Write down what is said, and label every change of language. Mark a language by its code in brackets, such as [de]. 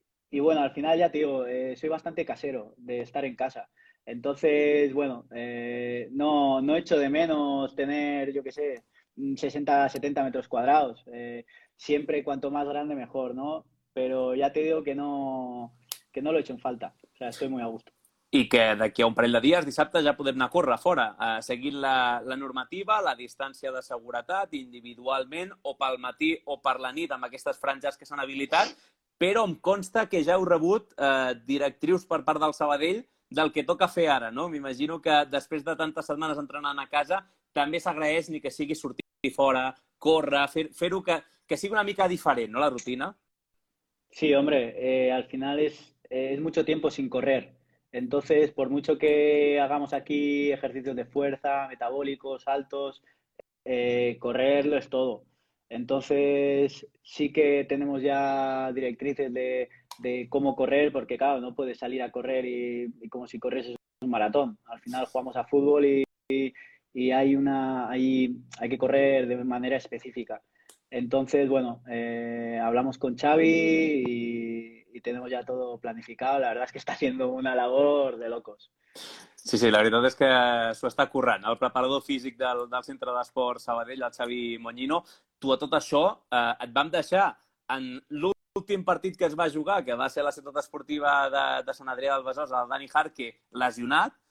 [es] Y bueno, al final ya te digo, soy bastante casero de estar en casa. Entonces, bueno, no echo de menos tener, yo qué sé, 60, 70 metros cuadrados. Siempre cuanto más grande mejor, ¿no? Pero ya te digo que no lo echo en falta, o sea, estoy muy a gusto. [ca] I que d'aquí a un parell de dies, dissabte, ja podem anar a córrer fora, seguint la normativa, la distància de seguretat individualment, o pel matí o per la nit, amb aquestes franges que s'han habilitat, però em consta que ja heu rebut directrius per part del Sabadell del que toca fer ara, no? M'imagino que després de tantes setmanes entrenant a casa, també s'agraeix ni que sigui sortir fora, córrer, fer-ho que sigui una mica diferent, no, la rutina? [es] Sí, hombre, al final es mucho tiempo sin correr. Entonces, por mucho que hagamos aquí ejercicios de fuerza, metabólicos, saltos, correrlo es todo. Entonces, sí que tenemos ya directrices de cómo correr, porque claro, no puedes salir a correr y como si corres es un maratón. Al final jugamos a fútbol y hay que correr de manera específica. Entonces, bueno, hablamos con Xavi y tenemos ya todo planificado. La verdad es que está haciendo una labor de locos. [ca] Sí, sí, la veritat és que s'ho està currant. El preparador físic del Centre d'Esport Sabadell, el Xavi Moñino, tu a tot això et vam deixar en l'últim partit que es va jugar, que va ser la ciutat esportiva de Sant Adrià del Besòs, el Dani Jarque, lesionat.